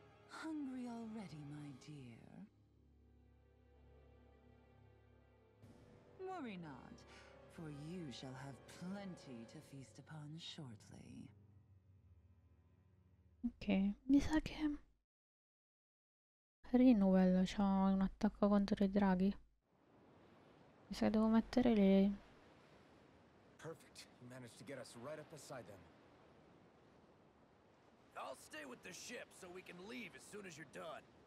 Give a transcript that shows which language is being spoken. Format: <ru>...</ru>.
<en>hungry already, my dear? Worry not, for you shall have plenty to feast upon shortly.</en> <it>Ok, mi sa che Rinuel c'ha un attacco contro i draghi. Mi sa che devo mettere lì.</it> <en>Perfect. You managed to get us right up beside them. I'll stay with the ship so we can leave as soon as you're done.</en>